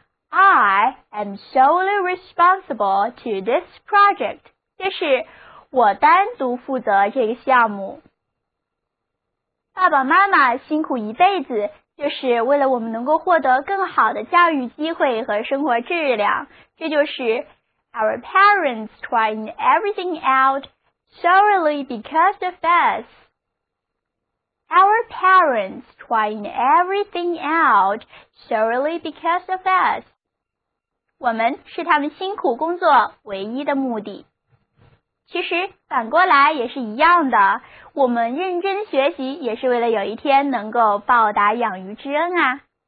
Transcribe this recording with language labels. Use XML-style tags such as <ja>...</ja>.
<en>I am solely responsible to this project.</en> <zh>就是我单独负责这个项目。爸爸妈妈辛苦一辈子，就是为了我们能够获得更好的教育机会和生活质量。这就是</zh> <en>Our parents trying everything out solely because of us. Our parents trying everything out solely because of us.</en> <zh>我们是他们辛苦工作唯一的目的。其实反过来也是一样的，我们认真学习也是为了有一天能够报答养育之恩啊。</zh>